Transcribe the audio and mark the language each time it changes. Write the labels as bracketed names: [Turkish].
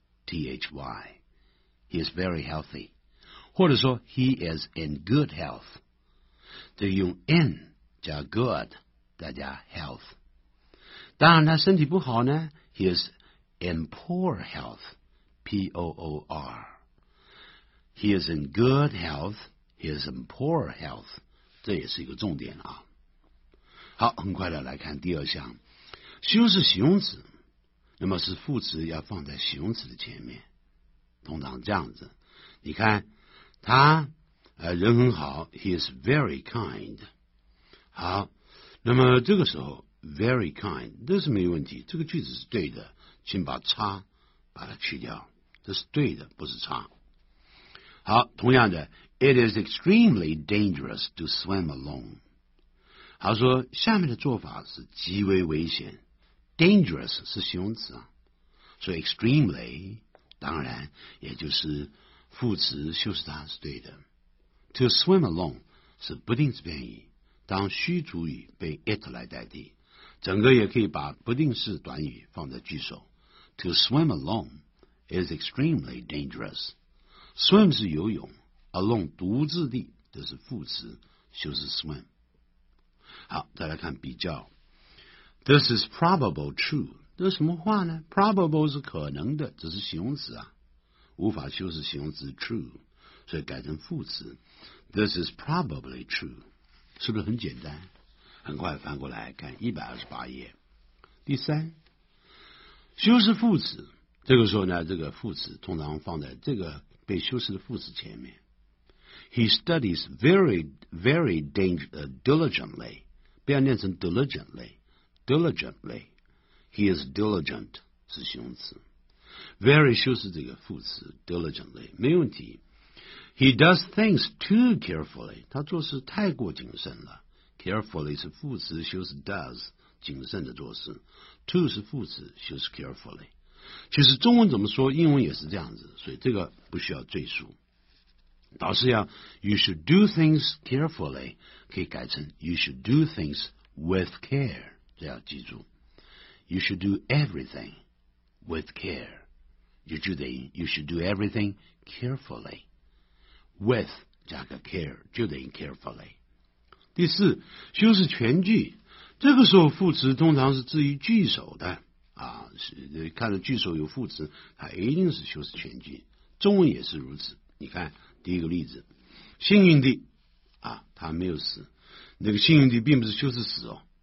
[English] healthy， he is very healthy， [Chinese] 或者说 [English] he is in good health， [Chinese] 这用 [English] in 加 good 再加 health。 [Chinese] 当然他身体不好呢， [English] he is in poor health， P-O-O-R， he is in good health， he is in poor health， [Chinese] 这也是一个重点啊。好，很快的来看第二项，修饰形容词，那么是副词要放在形容词的前面，通常这样子。你看他人很好， [English] He is very kind。 [Chinese] 好，那么这个时候 very kind 这是没问题，这个句子是对的，请把叉把它去掉，这是对的，不是叉。好，同样的 [English] It is extremely dangerous to swim alone。 [Chinese] 他说下面的做法是极为危险，Dangerous 是形容词啊，所以 extremely 当然也就是副词修饰它是对的。 To swim alone 是不定式变语，当虚主语被 it 来代替，整个也可以把不定式短语放在句首。 [English] To swim alone is extremely dangerous。 [Chinese] Swim 是游泳， alone 独自地，这是副词修饰 swim。好，再来看比较， [English] This is probable true， [Chinese] 这是什么话呢？ Probable 是可能的，只是形容词啊，无法修饰形容词 true， 所以改成副词。 [English] This is probably true， [Chinese] 是不是很简单？很快翻过来看128页。第三，修饰副词，这个时候呢，这个副词通常放在这个被修饰的副词前面。 [English] He studies very very diligently， [Chinese] 不要念成 [English] diligently，Diligently， he is diligent [Chinese] 是形容词， [English] very [Chinese] 修饰这个副词 [English] diligently [Chinese] 没问题。 [English] He does things too carefully， [Chinese] 他做事太过谨慎了， carefully 是副词修饰 does， 谨慎的做事， too 是副词修饰 carefully。其实中文怎么说英文也是这样子，所以这个不需要赘述，倒是要 [English] You should do things carefully [Chinese] 可以改成 [English] You should do things with care， [Chinese] 这要记住。 [English] You should do everything with care， [Chinese] 也就等于 [English] You should do everything carefully， with 加个 care [Chinese] 就等于 [English] carefully。 [Chinese] 第四，修饰全句，这个时候副词通常是置于句首的啊，是看着句首有副词它一定是修饰全句，中文也是如此。你看第一个例子，幸运地啊，他没有死，那个幸运地并不是修饰死哦。